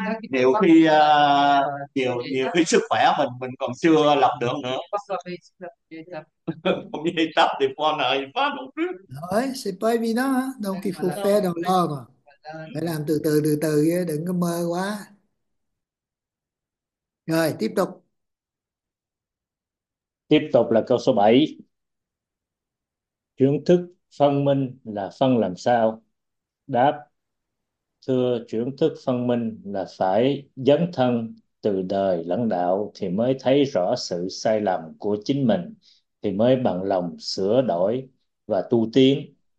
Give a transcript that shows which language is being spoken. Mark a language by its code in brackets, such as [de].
[vi] Nhiều khi nhiều khi sức khỏe mình còn chưa lập được nữa. Không biết tập thì con ơi, [fr] đấy, c'est pas évident, hein? Donc il faut faire dans l'ordre. [vi] Phải làm từ từ, đừng có mơ quá. Rồi, tiếp tục. Tiếp tục là câu số 7. Trưởng thức phân minh là phân làm sao? Đáp: Thưa, trưởng thức phân minh là phải dấn thân từ đời lãnh đạo thì mới thấy rõ sự sai lầm của chính mình, thì mới bằng lòng sửa đổi và tu tiến.